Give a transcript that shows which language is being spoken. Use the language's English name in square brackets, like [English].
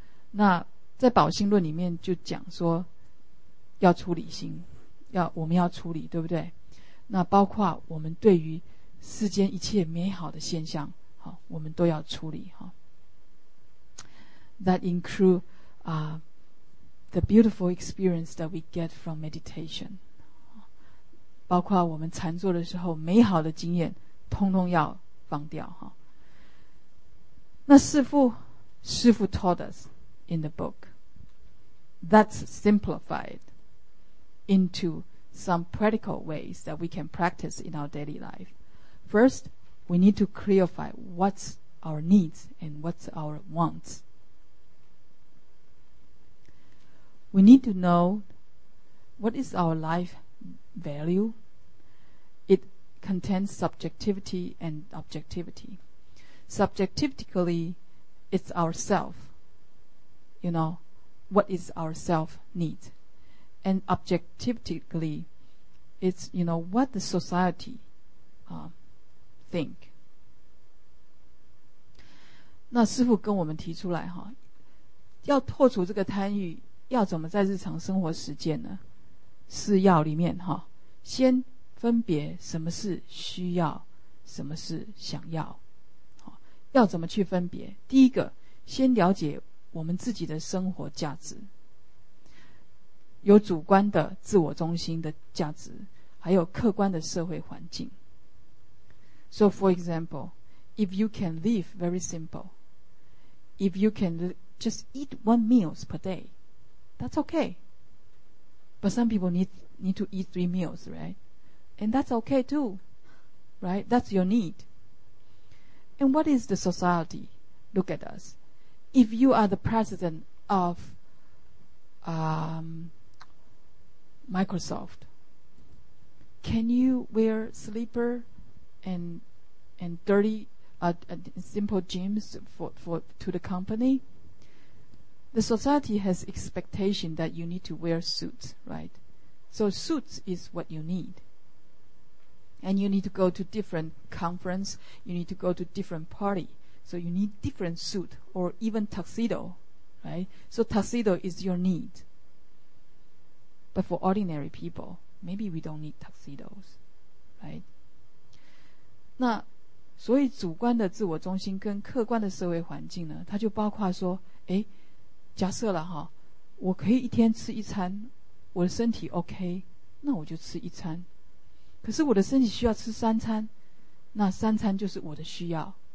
[Chinese] 那在宝性论里面就讲说要处理心，要我们要处理，对不对？那包括我们对于世间一切美好的现象，好，我们都要处理。 [English] 好， That include the beautiful experience that we get from meditation. [Chinese] 包括我们禅坐的时候美好的经验通通要放掉。 [English] 哈，那师父 taught us in the book, that's simplified into some practical ways that we can practice in our daily life. First, we need to clarify what's our needs and what's our wants. We need to know what is our life value. Contains subjectivity and objectivity. Subjectively, it's ourself. You know, what is our self need? And objectively, it's, you know, what the society think. [Chinese] 那师父跟我们提出来哈，要破除这个贪欲，要怎么在日常生活实践呢？四要里面哈，先分别什么是需要，什么是想要，要怎么去分别？第一个，先了解我们自己的生活价值，有主观的自我中心的价值，还有客观的社会环境。 [English] So for example, if you can live very simple, if you can just eat one meal per day, that's okay. But some people need to eat three meals, right? And that's okay too, right? That's your need. And what is the society? Look at us. If you are the president of Microsoft, can you wear slipper and dirty simple jeans to the company? The society has expectation that you need to wear suits, right? So suits is what you need. And you need to go to different conference, you need to go to different party. So you need different suit or even tuxedo, right? So tuxedo is your need. But for ordinary people, maybe we don't need tuxedos, right? [Chinese] 那所以主观的自我中心跟客观的社会环境呢，它就包括说，诶，假设了哈，我可以一天吃一餐，我的身体 OK, 那我就吃一餐。可是我的身体需要吃三餐，那三餐就是我的需要。